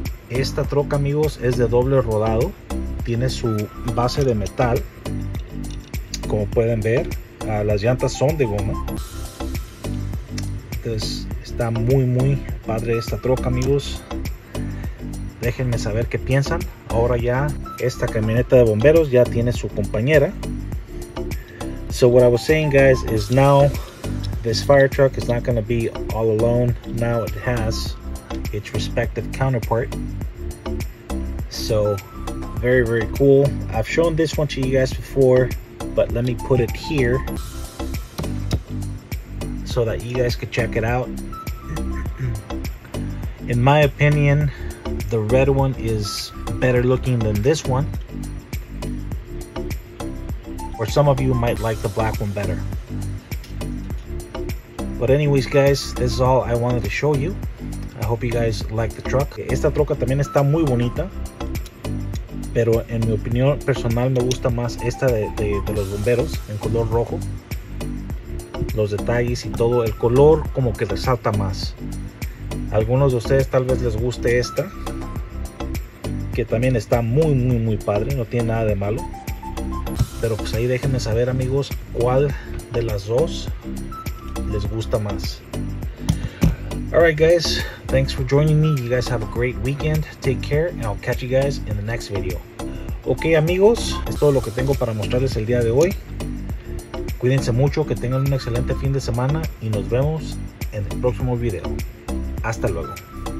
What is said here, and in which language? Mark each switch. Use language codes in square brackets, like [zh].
[es] Esta troca, amigos, es de doble rodado. Tiene su base de metal, como pueden ver, las llantas son de goma. Entonces está muy, muy padre esta troca, amigos. Déjenme saber qué piensan. Ahora ya esta camioneta de bomberos ya tiene su compañera. [en] So what I was saying, guys, is now this fire truck is not going to be all alone. Now it has its respective counterpart. So very, very cool. I've shown this one to you guys before, but let me put it here so that you guys could check it out. In my opinion, the red one is better looking than this one. Or some of you might like the black one better. But anyways, guys, this is all I wanted to show you. I hope you guys like the truck. [es] Esta troca también está muy bonita. Pero en mi opinión personal me gusta más esta de los bomberos en color rojo. Los detalles y todo, el color como que resalta más. Algunos de ustedes tal vez les guste esta, que también está muy, muy, muy padre. No tiene nada de malo. Pero pues ahí déjenme saber, amigos, cuál de las dos les gusta más. [en] Alright guys, thanks for joining me. You guys have a great weekend. Take care and I'll catch you guys in the next video. [es] Ok amigos, es todo lo que tengo para mostrarles el día de hoy. Cuídense mucho, que tengan un excelente fin de semana y nos vemos en el próximo video. Hasta luego.